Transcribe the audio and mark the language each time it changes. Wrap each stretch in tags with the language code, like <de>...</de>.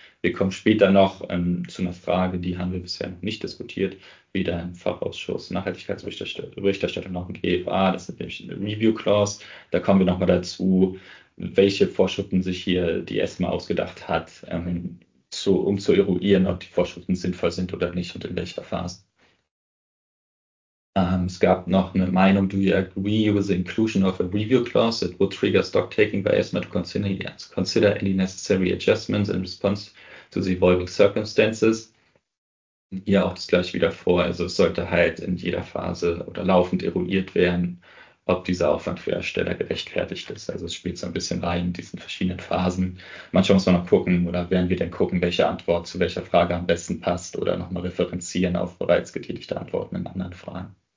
<de>Wir kommen später noch zu einer Frage, die haben wir bisher noch nicht diskutiert, weder im Fachausschuss Nachhaltigkeitsberichterstattung noch im GFA, das ist nämlich eine Review Clause. Da kommen wir nochmal dazu, welche Vorschriften sich hier die ESMA ausgedacht hat, um zu eruieren, ob die Vorschriften sinnvoll sind oder nicht und in welcher Phase. Es gab noch eine Meinung,</de> <en>do you agree with the inclusion of a review clause that would trigger stock taking by ESMA to consider any necessary adjustments in response to the evolving circumstances?</en> <de>Hier auch das gleiche wieder vor, also es sollte halt in jeder Phase oder laufend eruiert werden, ob dieser Aufwand für Ersteller gerechtfertigt ist. Also es spielt so ein bisschen rein in diesen verschiedenen Phasen. Manchmal muss man noch gucken oder werden wir dann gucken, welche Antwort zu welcher Frage am besten passt oder nochmal referenzieren auf bereits getätigte Antworten in anderen Fragen.</de>